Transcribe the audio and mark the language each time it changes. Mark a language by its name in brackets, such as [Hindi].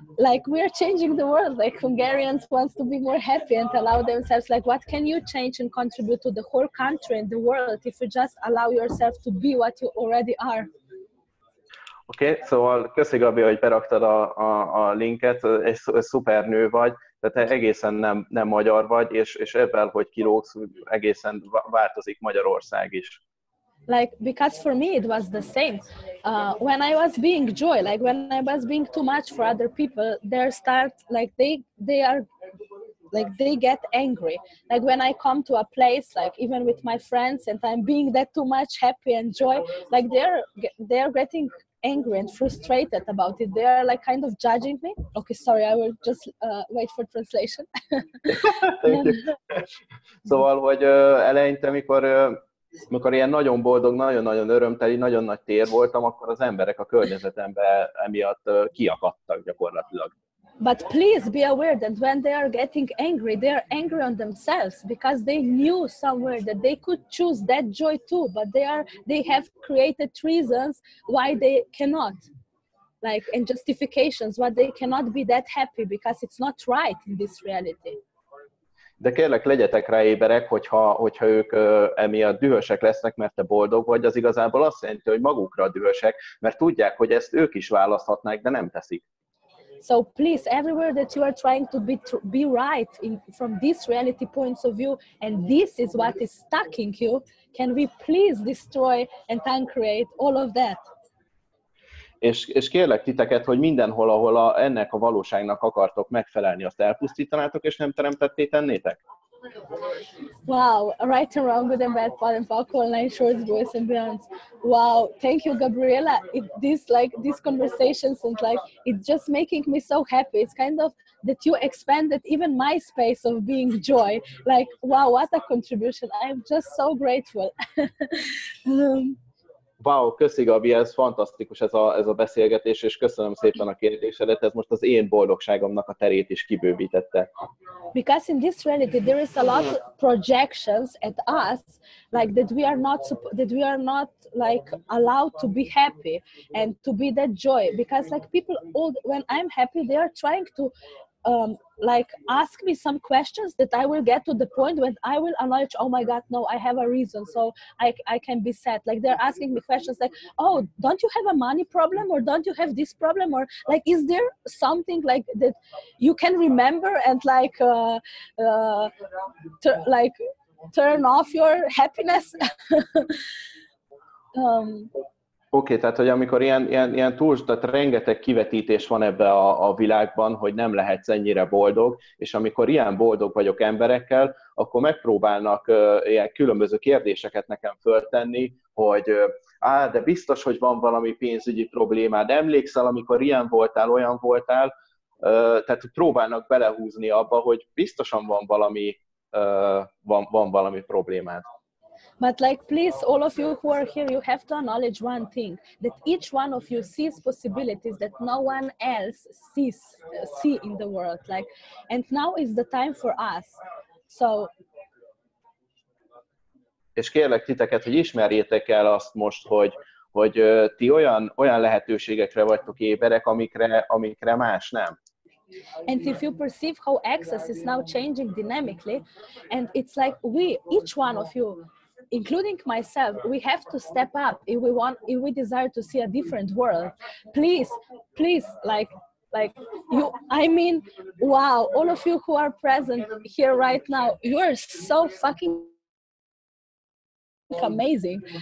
[English] Like, we are changing the world. Like, Hungarians wants to be more happy and allow themselves. Like, what can you change and contribute to the whole country and the world if you just allow yourself to be what you already are? [Hungarian] Okay, szóval köszi, Gabi, hogy beraktad a linket, egy szuper nő vagy, de te egészen nem magyar vagy, és ebben, hogy kilógsz, egészen változik Magyarország is. [English] Like, because for me it was the same. When I was being joy, like when I was being too much for other people, they start, like they are, like they get angry. Like when I come to a place, like even with my friends, and I'm being that too much happy and joy, like they're getting angry and frustrated about it. They are like kind of judging me. Okay, sorry, I will just wait for translation. [Hungarian] Szóval, hogy eleinte, mikor ilyen nagyon boldog, nagyon-nagyon örömteli, nagyon nagy tér voltam, akkor az emberek a környezetembe emiatt kiakadtak gyakorlatilag. [English] But please be aware that when they are getting angry, they are angry on themselves because they knew somewhere that they could choose that joy too, but they have created reasons why they cannot, like, and justifications why they cannot be that happy because it's not right in this reality. [Hungarian] De kérlek, legyetek rá éberek, hogyha ők emiatt dühösek lesznek, mert te boldog vagy, az igazából azt jelenti, hogy magukra dühösek, mert tudják, hogy ezt ők is választhatnák, de nem teszik. [English] So please, everywhere that you are trying to be right in, from this reality points of view, and this is what is stuck in you, can we please destroy and uncreate all of that? [Hungarian] És kérlek titeket, hogy mindenhol, ahol ennek a valóságnak akartok megfelelni, azt elpusztítanátok, és nem teremtetté tennétek? [English] Wow, right and wrong, good and bad, fall and fuck, online shorts, boys and beyonds. Wow, thank you, Gabriela. These conversations and like, it's just making me so happy. It's kind of that you expanded even my space of being joy. Like, wow, what a contribution. I'm just so grateful. [Hungarian] Wow, köszi, Gabi, ez fantasztikus ez a beszélgetés, és köszönöm szépen a kérdésedet, ez most az én boldogságomnak a terét is kibővítette. [English] Because in this reality there is a lot of projections at us, like that we are not like allowed to be happy and to be that joy, because like people all, when I'm happy, they are trying to like ask me some questions that I will get to the point when I will acknowledge, oh my god, no, I have a reason, so I can be sad. Like they're asking me questions like, oh, don't you have a money problem, or don't you have this problem, or like, is there something like that you can remember and like turn off your happiness? [Hungarian] Oké, tehát, hogy amikor ilyen túl, tehát rengeteg kivetítés van ebbe a világban, hogy nem lehetsz ennyire boldog, és amikor ilyen boldog vagyok emberekkel, akkor megpróbálnak ilyen különböző kérdéseket nekem föltenni, hogy de biztos, hogy van valami pénzügyi problémád, emlékszel, amikor ilyen voltál, olyan voltál, tehát próbálnak belehúzni abba, hogy biztosan van valami problémád. [English] But like, please, all of you who are here, you have to acknowledge one thing, that each one of you sees possibilities that no one else sees in the world. Like, and now is the time for us. So. [Hungarian] És kérlek titeket, hogy ismerjétek el azt most, hogy ti olyan lehetőségekre vagytok éberek, amikre más nem. [English] And if you perceive how access is now changing dynamically, and it's like we, each one of you, including myself, we have to step up if we desire to see a different world. Please, like you, I mean, wow, all of you who are present here right now, you are so fucking amazing.